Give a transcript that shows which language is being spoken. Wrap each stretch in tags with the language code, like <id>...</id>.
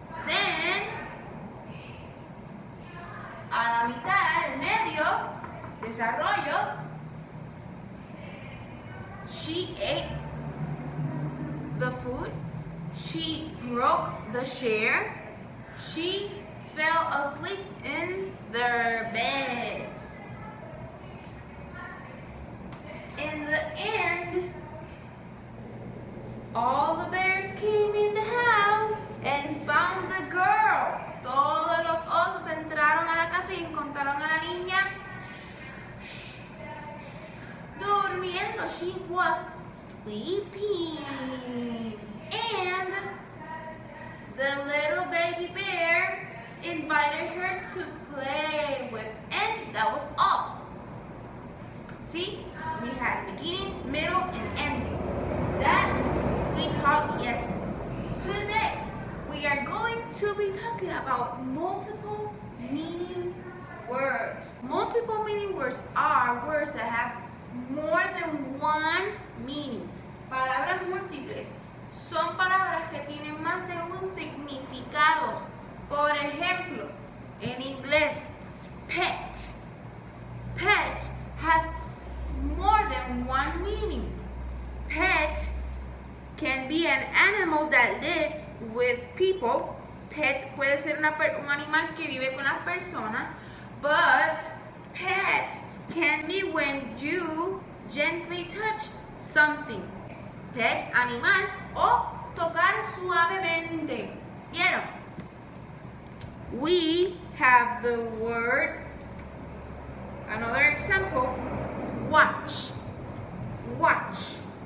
<en>Then,</en> <es>a la mitad, en medio, desarrollo,</es> <en>she ate the food, she broke the chair, she fell asleep in their beds. In the end, all the bears came in the house and found the girl.</en> <es>Todos los osos entraron a la casa y encontraron a la niña durmiendo.</es> <en>She was sleeping. And the little baby bear invited her to play with. And that was all. See, we had beginning, middle, and ending. That we talked yesterday. Today, we are going to be talking about multiple meaning words. Multiple meaning words are words that have more than one meaning.</en> <es>Palabras múltiples son palabras que tienen más de un significado. Por ejemplo, en inglés, pet.</es> <en>Pet has more than one meaning. Pet can be an animal that lives with people.</en> <es>Pet puede ser un animal que vive con las personas.</es> <en>But pet can be when you gently touch something.</en> <es>Pet, animal, o tocar suavemente. ¿Vieron?</es> <en>We have the word, another example, watch. Watch.</en>